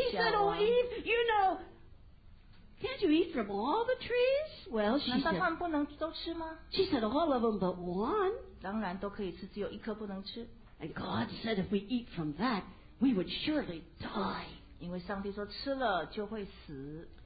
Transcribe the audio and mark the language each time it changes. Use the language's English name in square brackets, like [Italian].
[English] He said, oh Eve, you know, can't you eat from all the trees? Well, she said. [Chinese] 难道他们不能都吃吗? [English] She said all of them but one. [Chinese] 当然都可以吃，只有一颗不能吃。 [English] And God said if we eat from that, we would surely die. [Chinese] 因为上帝说吃了就会死。